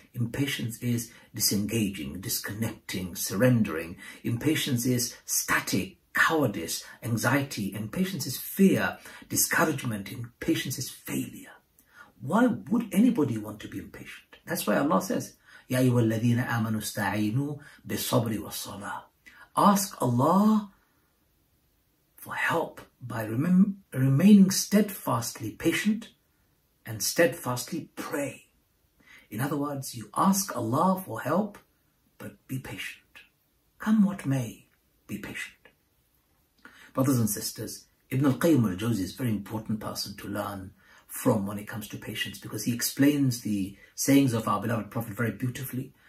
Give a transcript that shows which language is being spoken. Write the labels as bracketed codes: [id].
[en] Impatience is disengaging, disconnecting, surrendering. Impatience is static, cowardice, anxiety. Impatience is fear, discouragement. Impatience is failure. Why would anybody want to be impatient? That's why Allah says, [ar] يا أيها الذين آمنوا استعينوا بالصبر والصلاة. [en] Ask Allah for help by remaining steadfastly patient and steadfastly pray. In other words, you ask Allah for help, but be patient. Come what may, be patient. Brothers and sisters, Ibn al-Qayyim al-Jawzi is a very important person to learn from when it comes to patience, because he explains the sayings of our beloved Prophet very beautifully.